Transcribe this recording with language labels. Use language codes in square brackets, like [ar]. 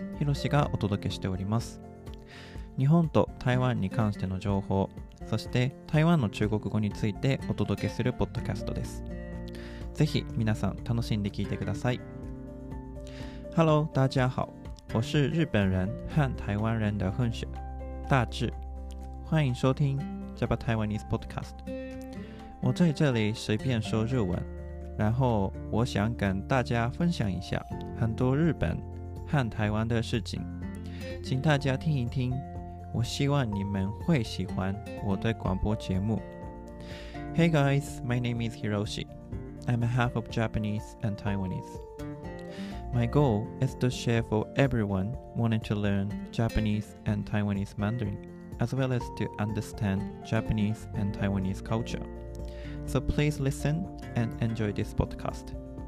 [ja] ひろしがお届けしております。日本と台湾に関しての情報、そして台湾の中国語についてお届けするポッドキャストです。ぜひ皆さん楽しんで聞いてください。 [zh] Hello 大家好，我是日本人和台湾人的混血大智，欢迎收听 Japan Taiwanese Podcast。我在这里随便说日文，然后我想跟大家分享一下很多日本和台湾的事情，请大家听一听，我希望你们会喜欢我的广播节目。 [en] Hey guys, my name is Hiroshi. I'm a half of Japanese and Taiwanese. My goal is to share for everyone wanting to learn Japanese and Taiwanese Mandarin, as well as to understand Japanese and Taiwanese culture. So please listen and enjoy this podcast.